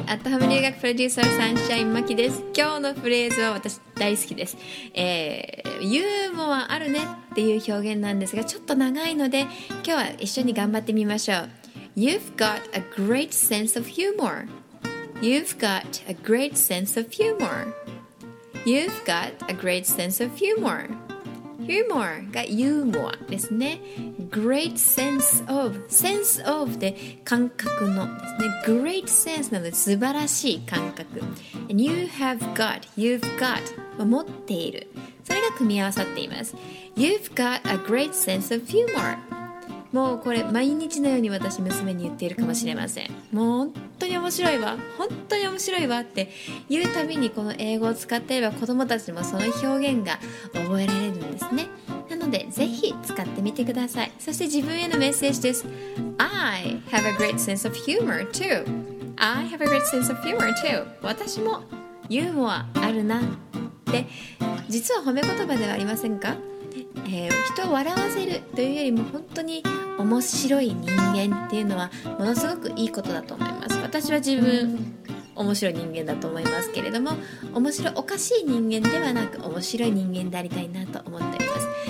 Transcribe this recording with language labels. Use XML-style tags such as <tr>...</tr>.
<ja>アットハム留学プロデューサーサンシャインマキです。今日のフレーズは私大好きです。ユーモアあるねっていう表現なんですが、ちょっと長いので今日は一緒に頑張ってみましょう。</ja> <en>You've got a great sense of humor. You've got a great sense of humor. You've got a great sense of humor.</en> <ja>Humor がユーモアですね。</ja> <en>Great sense of、 sense of</en> <ja>で感覚のですね。</ja> <en>Great sense</en> <ja>なので素晴らしい感覚。</ja> <en>And you have got、 you've got</en> <ja>は持っている、それが組み合わさっています。</ja> <en>You've got a great sense of humor。</en> <ja>もうこれ毎日のように私娘に言っているかもしれません。もう本当に面白いわ、本当に面白いわって言うたびに、この英語を使っていれば子供たちもその表現が覚えられるんですね。なのでぜひ使ってみてください。そして自分へのメッセージです。</ja> <en>I have a great sense of humor too. I have a great sense of humor too.</en> <ja>私もユーモアあるなって、実は褒め言葉ではありませんか。人を笑わせるというよりも、本当に面白い人間っていうのはものすごくいいことだと思います。私は自分面白い人間だと思いますけれども、面白おかしい人間ではなく面白い人間でありたいなと思っております。</ja>